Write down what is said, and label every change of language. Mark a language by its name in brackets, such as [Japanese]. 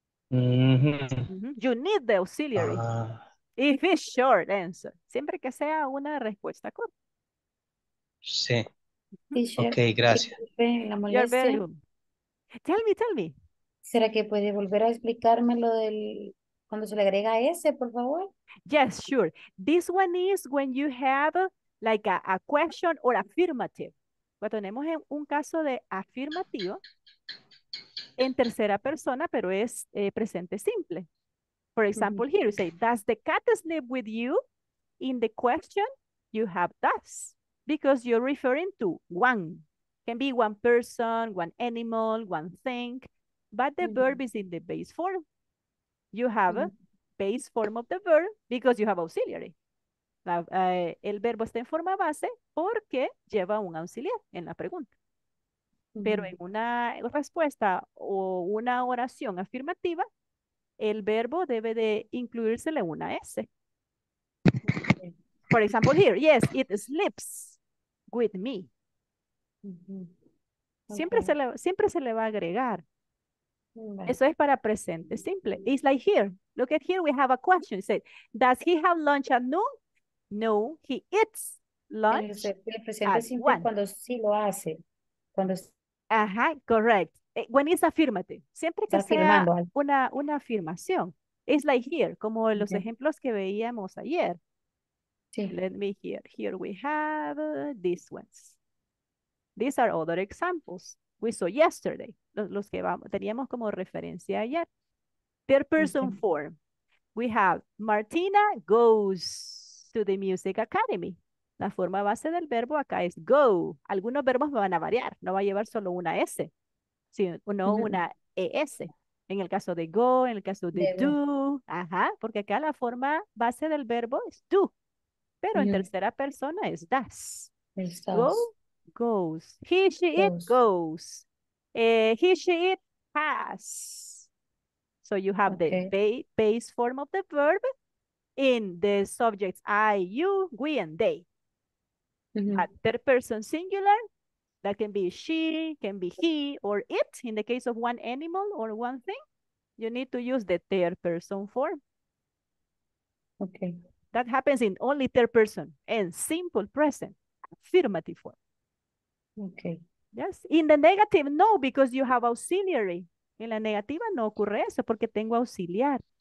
[English] You need the auxiliary. If it's short answer. [Spanish] Siempre que sea una respuesta corta. Sí. Ok, gracias. [English] Tell me. [Spanish] ¿Será que puede volver a explicarme lo del... cuando se le agrega S, por favor? [English] Yes, sure. This one is when you have like a question or affirmative. [Spanish] Cuando tenemos un caso de afirmativo en tercera persona, pero es presente simple. [English] For example, here you say, does the cat sleep with you? In the question, you have does. Because you're referring to one. Can be one person, one animal, one thing. But the verb is in the base form. You have a base form of the verb because you have auxiliary. [Spanish] La, el verbo está en forma base porque lleva un auxiliar en la pregunta. Pero en una respuesta o una oración afirmativa, el verbo debe de incluírsele una S. [English] For example, here, yes, it sleeps with me. [Spanish] Siempre, okay, siempre se le va a agregar. Eso es para presente simple. [English] It's like here. Look at here. We have a question. It says, does he have lunch at noon? No, he eats lunch. [Spanish] El presente simple [English] one. [Spanish] Cuando sí lo hace. Cuando... [English] Ajá, correct. When it's affirmative. [Spanish] Siempre que está sea una afirmación. [English] It's like here, [Spanish] como los ejemplos que veíamos ayer. Sí. [English] Let me hear. Here we have these ones. These are other examples. We saw yesterday, [Spanish] los que vamos, teníamos como referencia ayer. [English] Third person form. We have Martina goes to the music academy. [Spanish] La forma base del verbo acá es go. Algunos verbos van a variar. No va a llevar solo una S, sino una ES. En el caso de go, en el caso de do. Ajá, porque acá la forma base del verbo es do. Pero en tercera persona es does. Go. Goes. [English] He, she, it goes. He, she, it has. So you have the base form of the verb in the subjects I, you, we, and they. A third person singular, that can be she, can be he, or it. In the case of one animal or one thing, you need to use the third person form. Okay. That happens in only third person and simple present. affirmative form. Okay. Yes. In the negative, no, because you have auxiliary. [Spanish] En la negativa no ocurre eso porque tengo auxiliar.